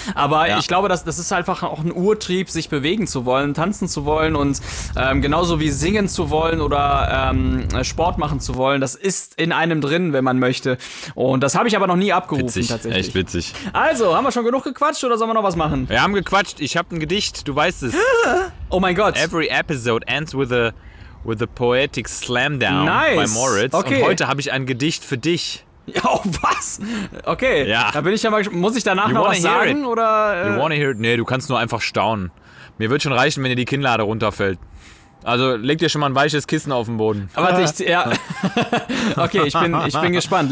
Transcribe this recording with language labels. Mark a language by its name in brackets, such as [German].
[German] Aber ich glaube, das ist einfach auch ein Urtrieb, sich bewegen zu wollen, tanzen zu wollen und genauso wie singen zu wollen oder Sport machen zu wollen. Das ist in einem drin, wenn man möchte. Und das habe ich aber noch nie abgerufen, witzig. Tatsächlich. Echt witzig. Also, haben wir schon genug gequatscht oder sollen wir noch was machen? Wir haben gequatscht. Ich habe ein Gedicht, du weißt es. Oh mein Gott. [English] Every episode ends with a poetic slamdown by Moritz. [German] Okay. Und heute habe ich ein Gedicht für dich. Oh, was? Okay. Ja. Da bin ich ja mal gespannt. Muss ich danach noch was sagen? Oder, [English] You wanna hear it? [German] Nee, du kannst nur einfach staunen. Mir wird schon reichen, wenn dir die Kinnlade runterfällt. Also leg dir schon mal ein weiches Kissen auf den Boden. Aber okay, ich bin gespannt.